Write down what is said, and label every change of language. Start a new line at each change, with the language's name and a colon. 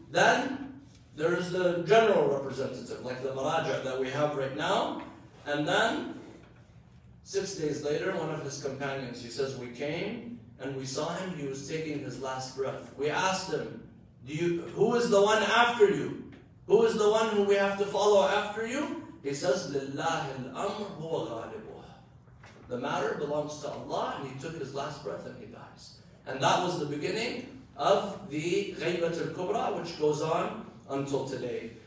English: Then there is the general representative, like the maraja that we have right now. And then 6 days later, one of his companions, he says, we came and we saw him, he was taking his last breath. We asked him, who is the one after you? Who is the one who we have to follow after you? He says,
Arabic: لِلَّهِ الْأَمْرُ هُوَ غَالِبُهَا.
English: The matter belongs to Allah, and he took his last breath and he dies. And that was the beginning of the Ghaybat al-Kubra, which goes on until today.